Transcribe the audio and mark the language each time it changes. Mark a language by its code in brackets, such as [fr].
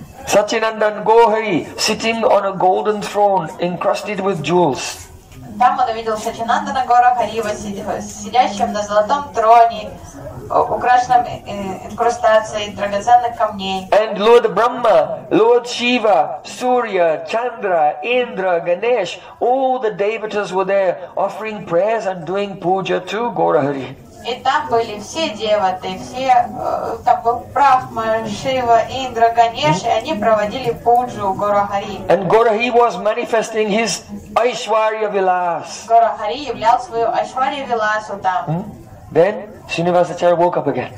[en] Satchinandan Gohari sitting on a golden throne encrusted with jewels. [ru] Там он увидел Сачинандана Горахарива, сидящим на золотом троне, украшенном инкрустацией драгоценных камней. [en] And Lord Brahma, Lord Shiva, Surya, Chandra, Indra, Ganesh, all the devatas were there offering prayers and doing puja to Горахари. [ru] И там были все деваты, все, там был Брахма, Шива, Индра, Ганеш, и они проводили пуджу Горахари. [en] And Горахи was manifesting his Aishwarya Vilas. [ru] Горахари являл свою Aishwarya Vilasу там. [en] Then Srinivasacharya woke up again.